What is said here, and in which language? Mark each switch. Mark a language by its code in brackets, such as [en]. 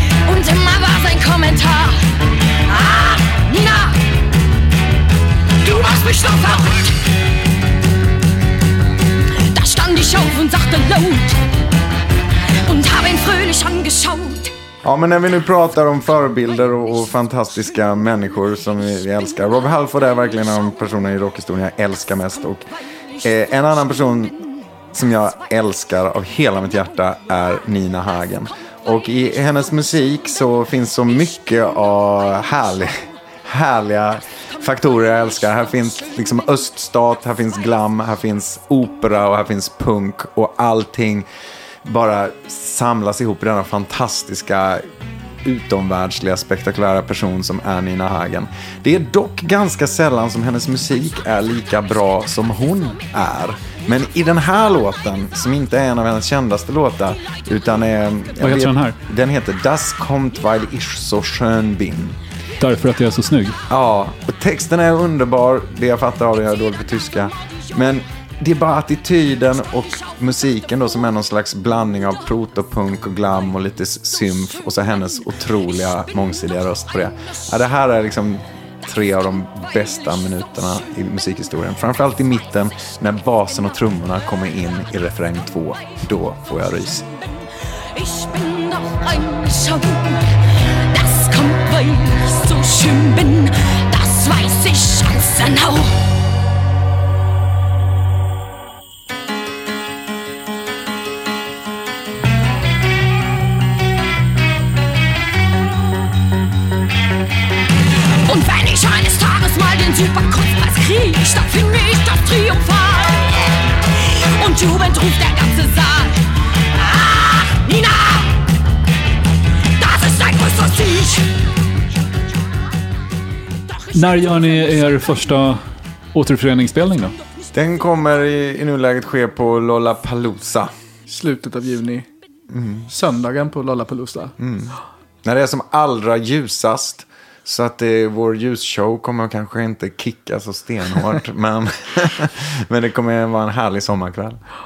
[de] Und immer war sein Kommentar: Ah, Nina, du machst mich doch verrückt. Da stand ich auf und sagte laut und hab ihn fröhlich angeschaut. [sv] Ja, men när vi nu pratar om förebilder och fantastiska människor som vi älskar. Rob Halford är verkligen en person i rockhistorien jag älskar mest. Och en annan person som jag älskar av hela mitt hjärta är Nina Hagen. Och i hennes musik så finns så mycket av härliga faktorer jag älskar. Här finns liksom öststat, här finns glam, här finns opera och här finns punk. Och allting bara samlas ihop i denna fantastiska, utomvärldsliga, spektakulära person som är Nina Hagen. Det är dock ganska sällan som hennes musik är lika bra som hon är. Men i den här låten, som inte är en av hennes kändaste låtar, utan är... Vad heter den här? Den heter Das kommt, weil ich so schön bin. Därför att jag är så snygg. Ja, och texten är underbar. Det jag fattar av det, jag är dålig på tyska. Men det är bara attityden och musiken då, som är någon slags blandning av protopunk och glam och lite symf. Och så hennes otroliga, mångsidiga röst på det. Ja, det här är liksom... tre av de bästa minuterna i musikhistorien. Framförallt i mitten när basen och trummorna kommer in i refräng 2. Då får jag rys. [de] Ich bin doch ein Schau. Das kommt, weil ich so schön bin. Das weiß ich ganz genau. Überkunstpreis krieg, da find ich das Triumphal. Und jubelnd ruft der ganze Saal: Ah, Nina, das ist dein größter Sieg. [sv] När gör ni er första återföreningsspelning då? Den kommer i nuläget ske på Lollapalooza. Slutet av juni. Söndagen på Lollapalooza. När det är som allra ljusast. Så att det, vår ljusshow kommer kanske inte kicka så stenhårt, men det kommer vara en härlig sommarkväll.